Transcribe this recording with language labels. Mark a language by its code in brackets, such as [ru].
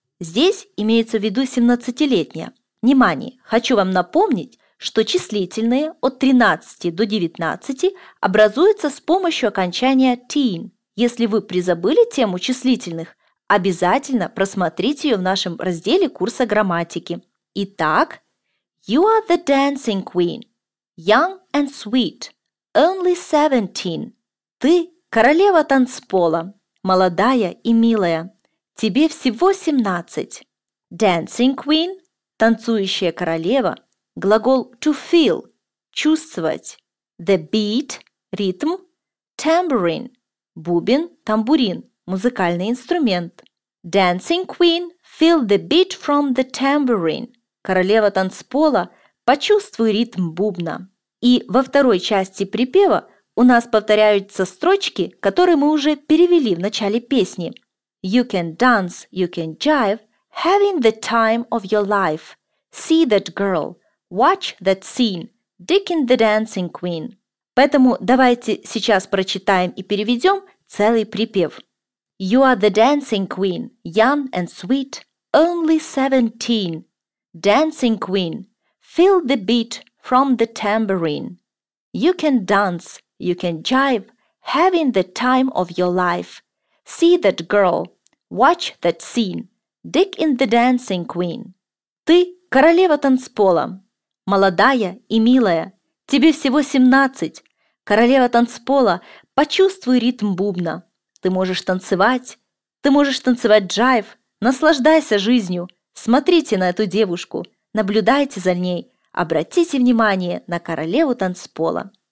[ru] Здесь имеется в виду 17-летняя. Внимание! Хочу вам напомнить, что числительные от 13 до 19 образуются с помощью окончания teen. Если вы призабыли тему числительных, обязательно просмотрите ее в нашем разделе курса грамматики. Итак, [en] you are the dancing queen, young and sweet, only 17. [ru] Ты королева танцпола, молодая и милая. Тебе всего 17. [en] Dancing queen, [ru] танцующая королева. Глагол [en] to feel [ru] – чувствовать. [en] The beat – [ru] ритм. Tambourine – бубен, тамбурин, музыкальный инструмент. [en] Dancing queen – feel the beat from the tambourine. [ru] Королева танцпола – почувствуй ритм бубна. И во второй части припева у нас повторяются строчки, которые мы уже перевели в начале песни. [en] You can dance, you can jive, having the time of your life. See that girl. Watch that scene, Dickin the Dancing Queen. [ru] Поэтому давайте сейчас прочитаем и переведем целый припев. [en] You are the dancing queen, young and sweet, only 17. Dancing queen, feel the beat from the tambourine. You can dance, you can jive, having the time of your life. See that girl, watch that scene, Dickin the Dancing Queen. [ru] Ты королева танцпола. Молодая и милая, тебе всего 17. Королева танцпола, почувствуй ритм бубна. Ты можешь танцевать, джайв. Наслаждайся жизнью. Смотрите на эту девушку, наблюдайте за ней. Обратите внимание на королеву танцпола.